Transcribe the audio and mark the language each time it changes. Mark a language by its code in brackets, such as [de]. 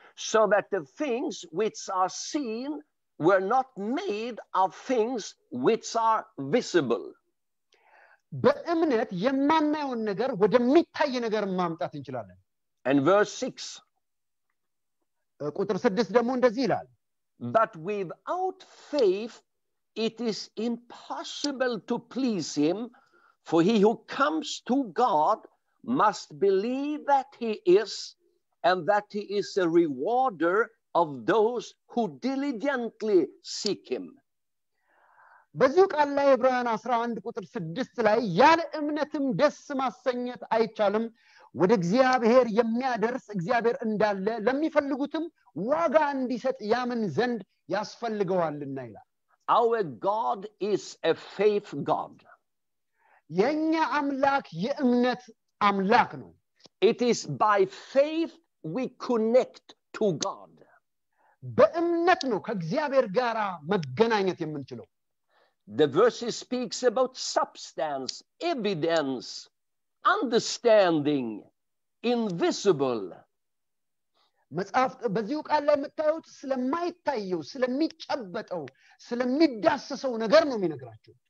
[en] so that the things which are seen were not made of things which are visible [am] በእምነት የማናየውን ነገር ወደሚታይ ነገር ማምጣት እንችላለን [en] And verse [am] 6. ቁጥር 6 ደግሞ እንደዚህ ይላል. [en] But without faith it is impossible to please him for he who comes to God must believe that he is and that he is a rewarder of those who diligently seek him. [am] በዚህ ቃል ላይ ዕብራውያን 11 ቁጥር 6 ላይ ያለ እምነትም ደስ ማሰኘት አይቻልም ወደ እግዚአብሔር የሚያደርስ እግዚአብሔር እንዳለ ለሚፈልጉትም ዋጋ እንዲሰጥ ያምን ዘንድ ያስፈልገዋልና ይላል [en] Our God is a faith God. [am] የኛ አምላክ የእምነት አምላክ ነው. [en] It is by faith we connect to God. [am] በእምነት ነው ከእግዚአብሔር ጋር መገናኘት የምንችለው. [en] The verse speaks about substance, evidence. understanding invisible [am] መጽሐፍ በዚሁ ቃል ላይ መታዩት ስለማይታየው ስለሚጨበጠው ስለሚዳሰሰው ነገር ነው የሚነግራቸው